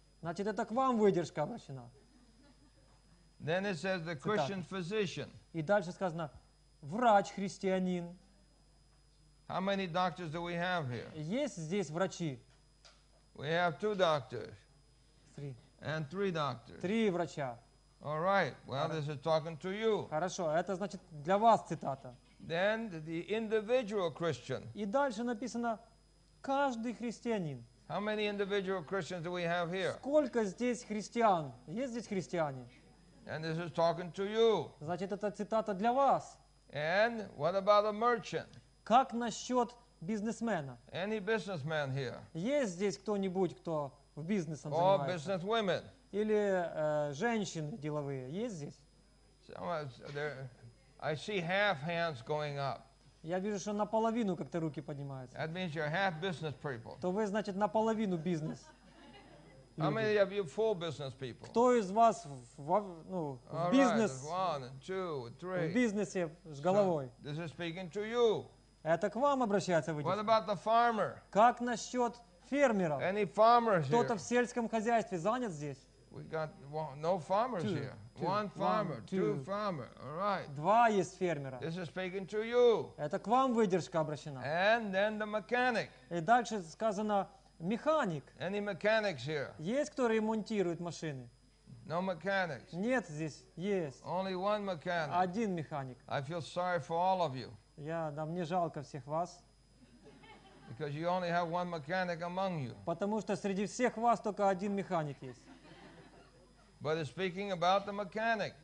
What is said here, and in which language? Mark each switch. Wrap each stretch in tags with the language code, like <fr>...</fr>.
<ru>Значит, это к вам выдержка обращена.</ru> <en>Then it says the Christian physician.</en> <ru>И дальше сказано, врач христианин.</ru> <en>How many doctors do we have here?</en> <ru>Есть здесь врачи?</ru> <en>We have two doctors. Three. And three doctors.</en> <ru>Три врача.</ru> <en>All right. Well, this is talking to you.</en> <ru>Хорошо, это значит для вас цитата.</ru> <en>Then the individual Christian.</en> <ru>И дальше написано каждый христианин.</ru> <en>How many individual Christians do we have here?</en> <ru>Сколько здесь христиан? Есть здесь христиане?</ru> <en>And this is talking to you.</en> <ru>Значит, это цитата для вас.</ru> <en>And what about a merchant?</en> <ru>Как насчет бизнесмена?</ru> <en>Any businessman here?</en> <ru>Есть здесь кто-нибудь, кто в бизнесе</ru> <en>or</en> <ru>занимается?</ru> <en>Or business women?</en> <ru>Или женщины деловые есть здесь?</ru> <en>So, I see half hands going up.</en> <ru>Я вижу, что наполовину как-то руки поднимаются.</ru> <en>That means you're half business people.</en> <ru>То вы, значит, наполовину бизнес.</ru> <en>How many of you full business people?</en> <ru>Кто из вас в бизнес?</ru> <en>All right. One, two, three.</en> <ru>В бизнесе с головой.</ru> <en>So, this is speaking to you.</en> <ru>Это к вам обращается вы.</ru> <en>What about the farmer?</en> <ru>Как насчет фермера?</ru> <en>Any farmers here?</en> <ru>Кто-то в сельском хозяйстве занят здесь?</ru> <en>We got no farmers two, here. Two, one farmer, one, two. Two farmer. All right.</en> <ru>Два есть фермера.</ru> <en>This is speaking to you.</en> <ru>Это к вам выдержка обращена.</ru> <en>And then the mechanic.</en> <ru>И дальше сказано механик.</ru> <en>Any mechanics here?</en> <ru>Есть кто ремонтирует машины?</ru> <en>No mechanics.</en> <ru>Нет здесь. Есть.</ru> <en>Only one mechanic.</en> <ru>Один механик.</ru> <en>I feel sorry for all of you.</en> <ru>Я, да, мне жалко всех вас.</ru> <en>Because you only have one mechanic among you.</en> <ru>Потому что среди всех вас только один механик есть.</ru> <en>But it's speaking about the mechanic.</en>